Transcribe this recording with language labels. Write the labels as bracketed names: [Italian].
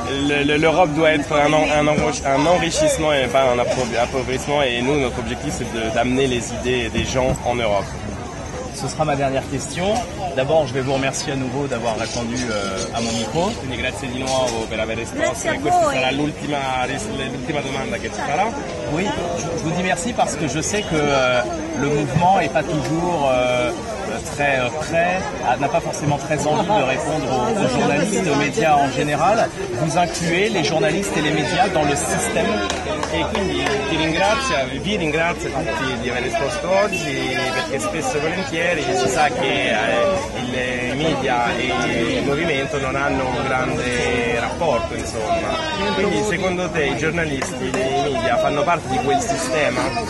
[French] L'Europe doit être un enrichissement et pas un appauvrissement, et nous notre objectif c'est d'amener les idées des gens en Europe. Ce sera ma dernière question. D'abord, je vais vous remercier à nouveau d'avoir répondu à mon micro. [Italian] Quindi grazie di nuovo per aver risposto. Grazie a voi. Questa sarà l'ultima domanda che ci farà. [French] Oui, je vous dis merci parce que je sais que le mouvement n'est pas toujours très prêt, n'a pas forcément très envie de répondre aux journalistes, aux médias en général. Vous incluez les journalistes et les médias dans le système [Italian] E quindi ti ringrazio, vi ringrazio tutti di aver risposto oggi, perché spesso e volentieri si sa che il media e il movimento non hanno un grande rapporto, insomma. Quindi secondo te i giornalisti e i media fanno parte di quel sistema?